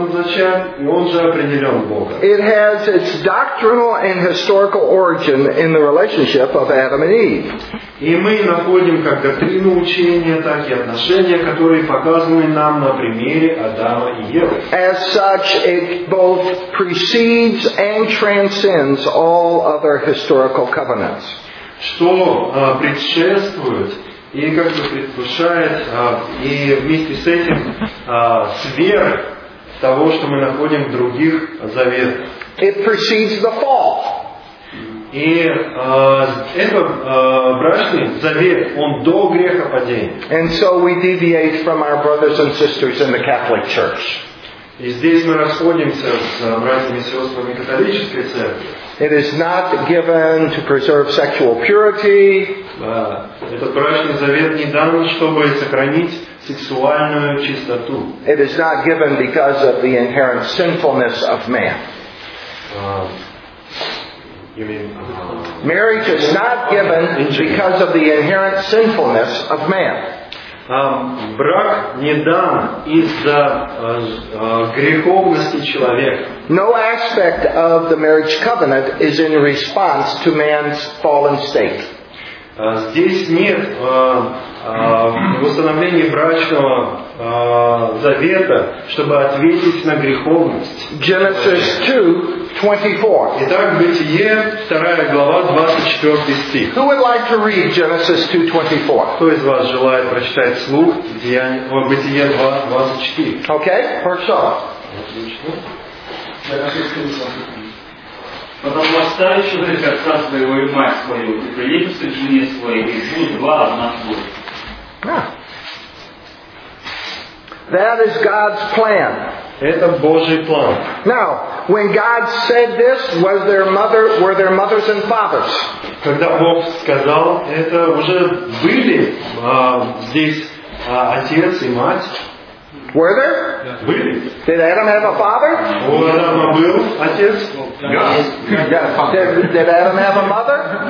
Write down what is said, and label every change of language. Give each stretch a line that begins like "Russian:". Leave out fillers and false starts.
English: It has its doctrinal and historical origin in the relationship of Adam and Eve.
Russian: И мы находим как доктрину учения, так и отношения, которые показаны нам на примере Адама и Евы.
English: As such, it both precedes and transcends all other historical covenants.
Russian: Что предшествует и как бы предвкушает и вместе с этим сверх того, что мы находим в других заветах.
English: It precedes the fall.
Russian: И этот брачный завет, он до грехопадения.
English: And so we deviate from our brothers and sisters in the Catholic Church.
Russian: И здесь мы расходимся с братьями и сестрами католической церкви.
English: It is not given to preserve sexual purity.
Russian: Этот брачный завет не дан, чтобы сохранить сексуальную чистоту.
English: It is not given because of the inherent sinfulness of man. Marriage is not given because of the inherent sinfulness of man.
Russian: Брак не дан из-за греховности человека.
English: No aspect of the marriage covenant is in response to man's fallen state.
Russian: Здесь нет восстановления брачного завета, чтобы ответить на греховность.
English: Genesis 2:24.
Russian: Итак, Бытие, 2 глава, 24 стих.
English: Who would like to read Genesis 2:24?
Russian: Кто из вас желает прочитать вслух Бытие 2:24? Okay, хорошо. Потом восстали человек отца своего и мать свою, и приедутся к жене своей, и будут два одна плоть.
English: That is God's plan.
Russian: Это Божий план.
English: Now, when God said this, was there mother, were there mothers and fathers?
Russian: Когда Бог сказал это, уже были здесь отец и мать?
English: Were there?
Russian: Были.
English: Did Adam have a father?
Russian: У Адама был отец?
English: Yes. Did Adam have a mother?